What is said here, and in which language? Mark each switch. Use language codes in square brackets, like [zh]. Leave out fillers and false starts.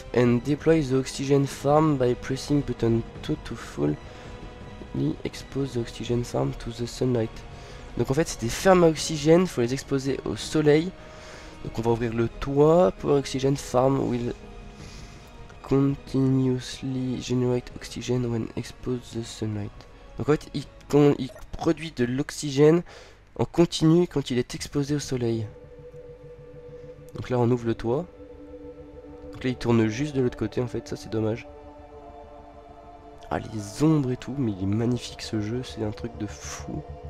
[en] And deploy the oxygen farm by pressing button 2 to fully expose the oxygen farm to the sunlight. [fr] Donc en fait c'est des fermes à oxygène, faut les exposer au soleil. Donc on va ouvrir le toit. [en] Power oxygen farm will continuously generate oxygen when expose the sunlight. [fr] Donc en fait il produit de l'oxygène en continu quand il est exposé au soleil. Donc là on ouvre le toit. Donc là il tourne juste de l'autre côté en fait, ça c'est dommage. Ah les ombres et tout, mais il est magnifique ce jeu, c'est un truc de fou.